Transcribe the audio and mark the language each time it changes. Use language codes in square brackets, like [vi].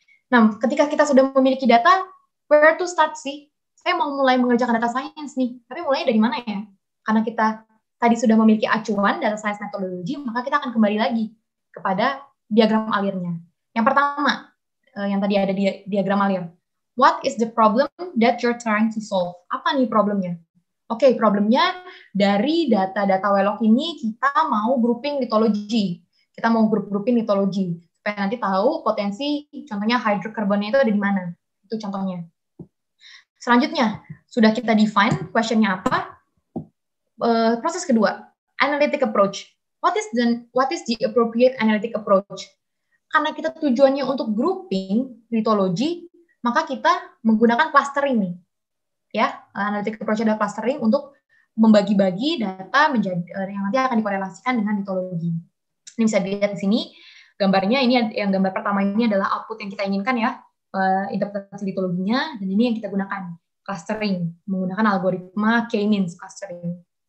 [id] Nah, ketika kita sudah memiliki data, [en] where to start [id] sih? Saya mau mulai mengerjakan data science nih, tapi mulainya dari mana ya? Karena kita tadi sudah memiliki acuan data science methodology, maka kita akan kembali lagi kepada diagram alirnya. Yang pertama, yang tadi ada di diagram alir. [en] What is the problem that you're trying to solve? [id] Apa nih problemnya? Oke, problemnya dari data-data Welog ini, kita mau grouping litologi. Kita mau grouping litologi, supaya nanti tahu potensi, contohnya hidrokarbonnya itu ada di mana. Itu contohnya. Selanjutnya, sudah kita define question-nya apa? Proses kedua, analytic approach. [en] What is the appropriate analytic approach? [id] Karena kita tujuannya untuk grouping litologi, maka kita menggunakan clustering nih. Ya, analytic approach adalah clustering untuk membagi-bagi data menjadi yang nanti akan dikorelasikan dengan mitologi. Ini bisa dilihat di sini gambarnya, ini yang gambar pertama ini adalah output yang kita inginkan ya, interpretasi mitologinya, dan ini yang kita gunakan, clustering, menggunakan algoritma k-means clustering.